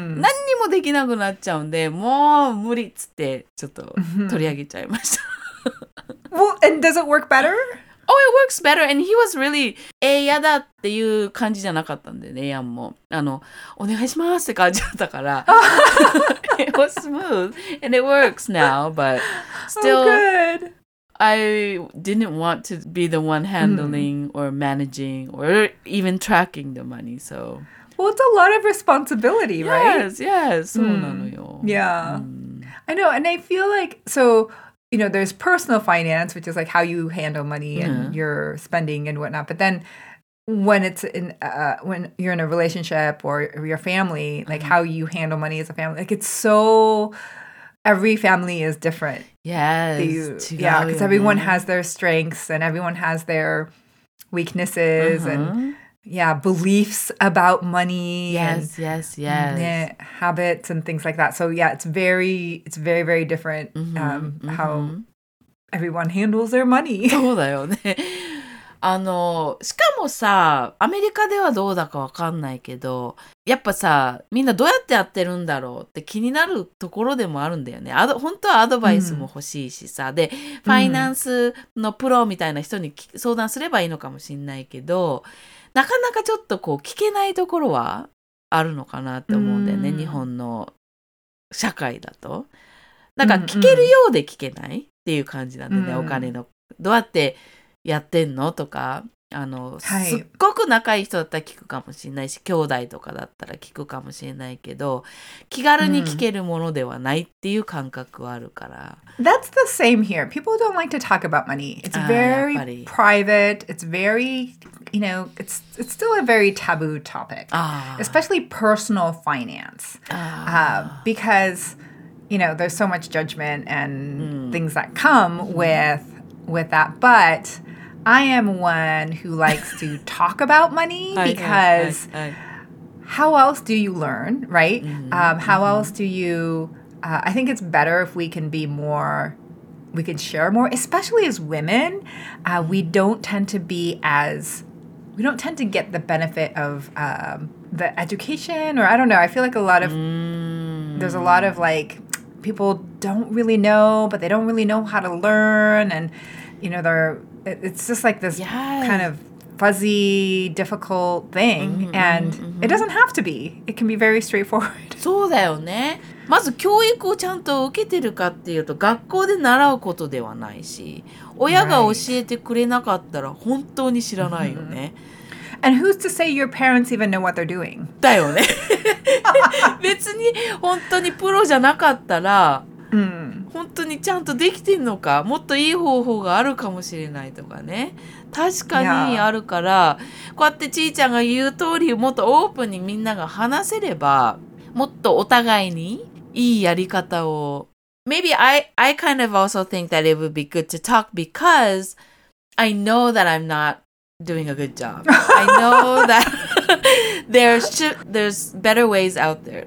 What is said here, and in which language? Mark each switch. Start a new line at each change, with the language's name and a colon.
Japanese: 何にもできなくなっちゃうんで、もう無理っつってちょっと取り上げちゃいました。
English: Well, and does it work better? Oh, it works better. And he was really,
Japanese: 嫌だっていう感じじゃなかったんだよね、ヤンも。あの、お願いしますって感じだったから。
English: It was smooth and it works now, but still... Oh, good. I didn't want to be the one handling or managing or even tracking the money, so... Well, it's a lot of responsibility, right? Yes, yes. Yeah. I know, and I feel like... So, you know, there's personal finance, which is like how you handle money and your spending and whatnot. But then when it's in, when you're in a relationship or your family, like how you handle money as a family, like it's so... Every family is different. Yes. Yeah, because everyone has their strengths and everyone has their weaknesses and, yeah, beliefs about money. Yes. Habits and things like that. So, yeah, it's very, very different how everyone handles their money.
Japanese: そうだよね。あの、しかもさ、アメリカではどうだかわかんないけど、やっぱさ、みんなどうやってやってるんだろうって気になるところでもあるんだよね。本当はアドバイスも欲しいしさ、で、ファイナンスのプロみたいな人に相談すればいいのかもしんないけど、なかなかちょっとこう聞けないところはあるのかなって思うんだよね、日本の社会だと。なんか聞けるようで聞けないっていう感じなんだね、お金の。どうやってやってんのとか。あの、すっごく仲いい人だったら聞くかもしれないし、兄弟とかだったら聞くかもしれないけど、気軽に聞けるものではないっていう感覚はあるから。
English: That's the same here. People don't like to talk about money. It's very private. It's very, you know, it's still a very taboo topic. Especially personal finance. Because, you know, there's so much judgment and things that come with that. But... I am one who likes to talk about money because how else do you learn, right? Else do you... I think it's better if we can be more... We can share more, especially as women. We don't tend to be as... We don't tend to get the benefit of the education or I don't know. I feel like a lot of... There's a lot of like people don't really know, but they don't really know how to learn and, you know, they're... It's just like this kind of fuzzy, difficult thing. And it doesn't have to be. It can be very straightforward.
Japanese: そうだよね。まず教育をちゃんと受けてるかっていうと、学校で習うことではないし、親が教えてくれなかったら本当に知らないよね。
English: And who's to say your parents even know what they're doing?
Japanese: だよね。別に本当にプロじゃなかったら、本当にちゃんとできてんのか、もっといい方法があるかもしれないとかね。確かにあるから、こうやってちーちゃんが言う通り、もっとオープンにみんなが話せれば、もっとお互いにいいやり方を。
English: Maybe I kind of also think that it would be good to talk because I know that I'm not doing a good job. I know that there's better ways out there.